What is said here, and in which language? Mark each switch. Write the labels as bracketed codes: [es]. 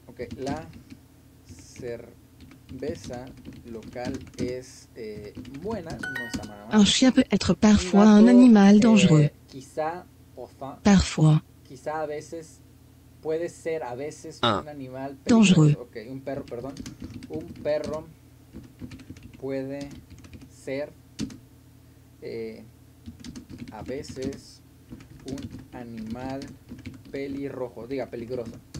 [es] Ok, la cerveza local es buena. No está mal. [fr] Un chien peut être parfois un animal dangereux. [es] Quizá, enfin, [fr] parfois. [es] Quizá a veces puede ser a veces un animal peligroso. Dangereux. Ok, un perro, perdón. Un perro puede ser a veces un animal pelirrojo, diga peligroso.